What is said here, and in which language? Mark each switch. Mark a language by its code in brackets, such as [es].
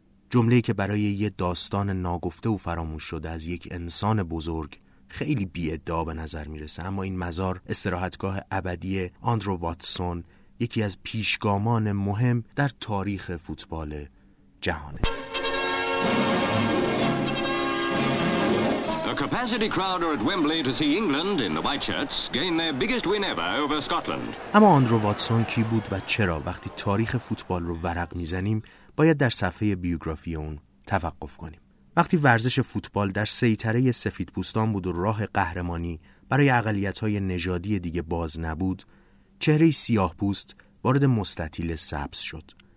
[fa] جمله‌ای که برای یه داستان ناگفته و فراموش شده از یک انسان بزرگ خیلی بی‌ادعا به نظر میرسه، اما این مزار استراحتگاه ابدی اندرو واتسون، یکی از پیشگامان مهم در تاریخ فوتبال جهانه. [en] A capacity crowd are at Wembley to see England in the white shirts gain their biggest win ever over Scotland. [fa] اما اندرو واتسون کی بود و چرا وقتی تاریخ فوتبال رو ورق میزنیم باید در صفحه بیوگرافی اون توقف کنیم؟ وقتی ورزش فوتبال در سیطره سفیدپوستان بود و راه قهرمانی برای اقلیت‌های نژادی دیگه باز نبود، چهره سیاه پوست وارد مستطیل سبز شد.